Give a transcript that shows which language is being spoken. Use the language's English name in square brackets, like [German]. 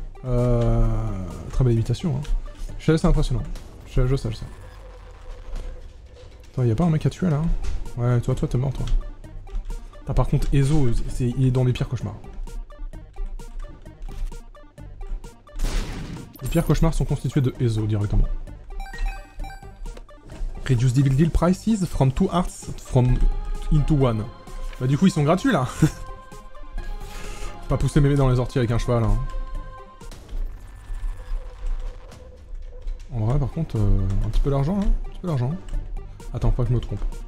[French] Très belle imitation, hein. Je sais, c'est impressionnant. Je sais, ça. Attends, y'a pas un mec à tuer là? Ouais, toi, t'es mort, toi. T'as par contre Ezo, il est dans les pires cauchemars. Les pires cauchemars sont constitués de Ezo directement. [English] Reduce the deal prices from 2 hearts from into 1. [French] Bah, du coup, ils sont gratuits là! Pas pousser mémé dans les orties avec un cheval, hein. En vrai, par contre, un petit peu d'argent, hein. Un petit peu d'argent. Attends, pas que je me trompe.